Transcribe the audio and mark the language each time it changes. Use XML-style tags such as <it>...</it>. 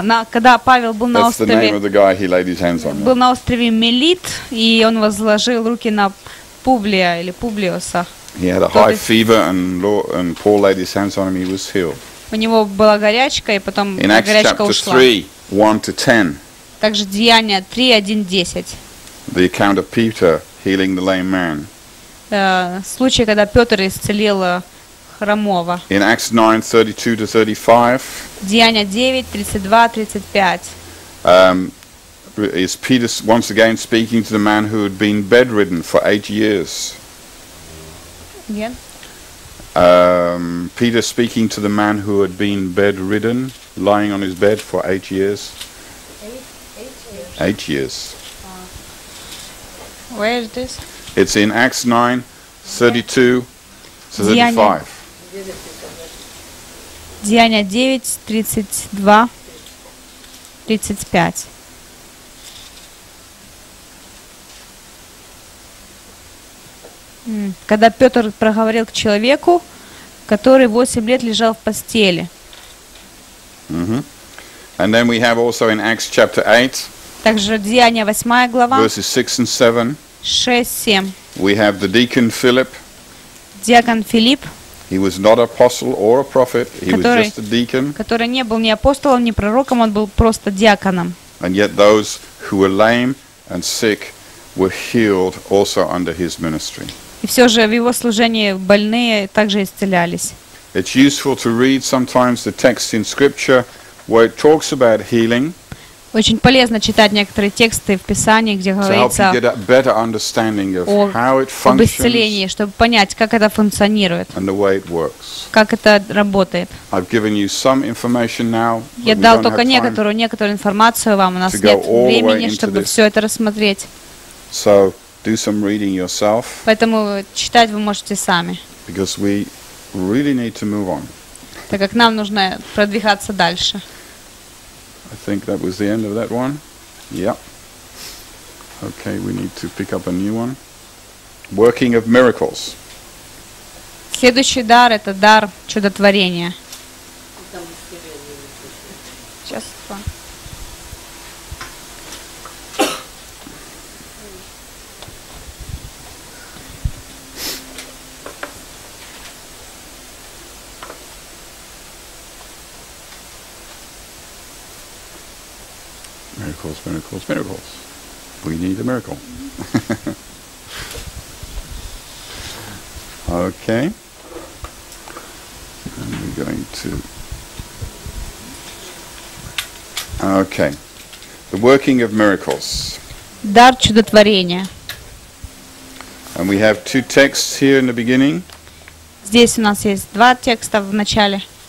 <ru>Когда Павел был на острове, был на острове Мелит, и он возложил руки на Публия или Публиуса.</ru> <en>He had a high fever, and Paul laid his hands on him, he was healed.</en> <ru>У него была горячка, и потом горячка ушла.</ru> <en>In Acts 3, 1 to 10.</en> <ru>Также Деяния 3, 1, 10.</ru> <en>The account of Peter healing the lame man.</en> <ru>Случай, когда Петр исцелил хромого.</ru> <en>In Acts 9, 32 to 35.</en> <ru>Деяния 9, 32, 35.</ru> <en>Is Peter once again speaking to the man who had been bedridden for 8 years. Peter speaking to the man who had been bedridden, lying on his bed for 8 years. Eight years. Where is this? It's in Acts 9, 32 to 35.</en> <ru>Деяния 9, 32, 35. Когда Петр проговорил к человеку, который 8 лет лежал в постели.</ru> <en>Mm-hmm. And then we have also in Acts chapter 8.</en> <ru>Также Деяния 8 глава.</ru> <en>Verses 6 and 7.</en> <ru>6, 7.</ru> <en>We have the deacon Philip.</en> <ru>Диакон Филипп.</ru> <en>He was not an apostle or a prophet. He was just a deacon.</en> <ru>Который не был ни апостолом, ни пророком, он был просто диаконом.</ru> <en>And yet those who were lame and sick were healed also under his ministry.</en> <ru>И все же в его служении больные также исцелялись.</ru> <en>It's useful to read sometimes the text in Scripture where it talks about healing.</en> <ru>Очень полезно читать некоторые тексты в Писании, где говорится</ru> <en>to help you get a better understanding of how it functions,</en> <ru>об исцелении, чтобы понять, как это функционирует,</ru> <en>and the way it works.</en> <ru>Как это работает.</ru> <en>I've given you some information now,</en> <ru>я дал только некоторую информацию вам, у нас нет времени, чтобы все это рассмотреть.</ru> <en>So, do some reading yourself.</en> <ru>Поэтому читать вы можете сами.</ru> <en>Because we really need to move on.</en> <ru>Так как нам нужно продвигаться дальше.</ru> <en>I think that was the end of that one. Yep. Okay, we need to pick up a new one. Working of miracles.</en> <ru>Следующий дар — это дар чудотворения.</ru> <en>Miracles, miracles, miracles. We need a miracle. Okay. And we're going to... Okay. The working of miracles.</en> <ru>Дар чудотворения.</ru> <en>And we have two texts here in the beginning.</en> <ru>Здесь у нас есть два текста в начале.</ru>